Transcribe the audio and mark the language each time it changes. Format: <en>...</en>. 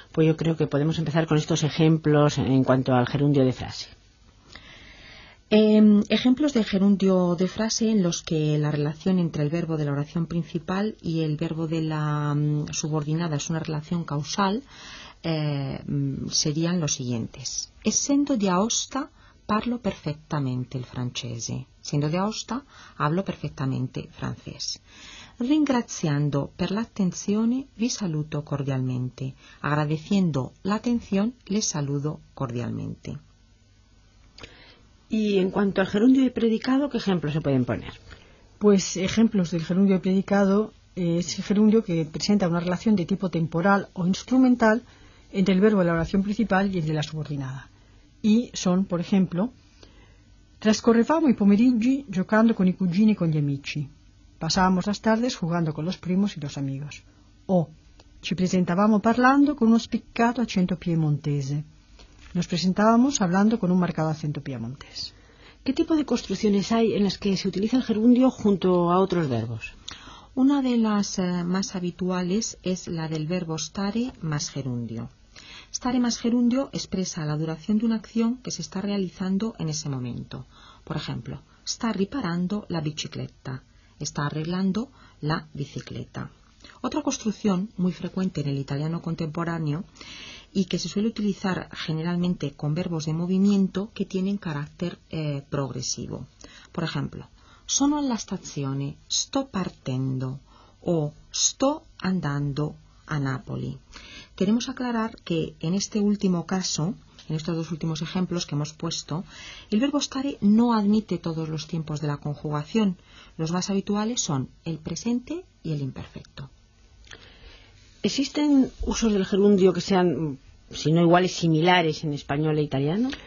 <es>Pues yo creo que podemos empezar con estos ejemplos en cuanto al gerundio de frase. Ejemplos de gerundio de frase en los que la relación entre el verbo de la oración principal y el verbo de la subordinada es una relación causal serían los siguientes.</es> <it>Essendo di Aosta, parlo perfectamente il francese.</it> <es>Siendo de Aosta, hablo perfectamente francés.</es> <it>Ringraziando per l'attenzione, vi saluto cordialmente.</it> <es>Agradeciendo la atención, les saludo cordialmente. Y en cuanto al gerundio y predicado, ¿qué ejemplos se pueden poner? Pues ejemplos del gerundio y predicado es el gerundio que presenta una relación de tipo temporal o instrumental entre el verbo de la oración principal y el de la subordinada. Y son, por ejemplo,</es> <it>trascorrevamo i pomeriggi giocando con i cugini e con gli amici.</it> <es>Pasábamos las tardes jugando con los primos y los amigos.</es> <it>O ci presentavamo parlando con uno spiccato accento piemontese.</it> <es>Nos presentábamos hablando con un marcado acento piemontés. ¿Qué tipo de construcciones hay en las que se utiliza el gerundio junto a otros verbos? Una de las más habituales es la del verbo stare más gerundio. Stare más gerundio expresa la duración de una acción que se está realizando en ese momento. Por ejemplo, está reparando la bicicleta. Está arreglando la bicicleta. Otra construcción muy frecuente en el italiano contemporáneo y que se suele utilizar generalmente con verbos de movimiento que tienen carácter progresivo. Por ejemplo,</es> <it>sono alla stazione, sto partendo, o sto andando a Napoli.</it> <es>Queremos aclarar que en este último caso, en estos dos últimos ejemplos que hemos puesto, el verbo stare no admite todos los tiempos de la conjugación. Los más habituales son el presente y el imperfecto. ¿Existen usos del gerundio que sean, si no iguales, similares en español e italiano?</es>